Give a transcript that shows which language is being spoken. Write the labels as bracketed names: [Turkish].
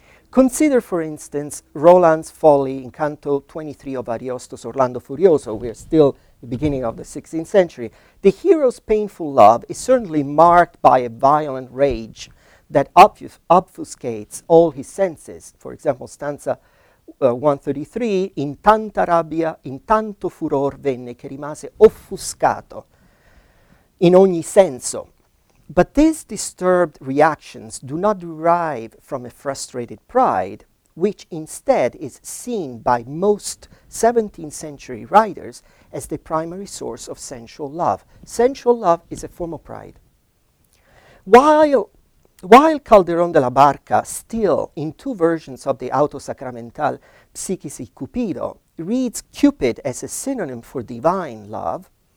[English] Consider, for instance, Roland's Folly in Canto 23 of Ariosto's Orlando Furioso. We are still at the beginning of the 16th century. The hero's painful love is certainly marked by a violent rage that obfuscates all his senses. For example, [Italian] stanza 133, in tanta rabbia, in tanto furor venne che rimase offuscato, in ogni senso. [English] But these disturbed reactions do not derive from a frustrated pride, which instead is seen by most 17th century writers as the primary source of sensual love. Sensual love is a form of pride. While Calderon de la Barca, still in two versions of the autosacramental Psichisi Cupido, reads Cupid as a synonym for divine love,